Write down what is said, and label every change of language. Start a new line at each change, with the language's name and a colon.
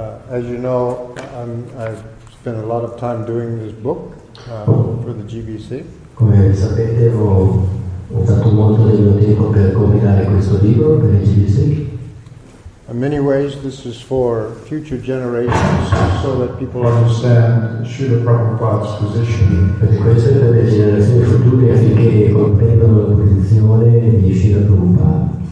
English: As you know, I've spent a lot of time doing this book for the GBC.
Italian: Come sapete, ho usato molto del mio tempo per compilare questo libro per il GBC.
English: In many ways, this is for future generations, so that people understand Srila Prabhupada's position.
Italian: Per questo è per le generazioni future affinché comprendano la posizione di Srila Prabhupada.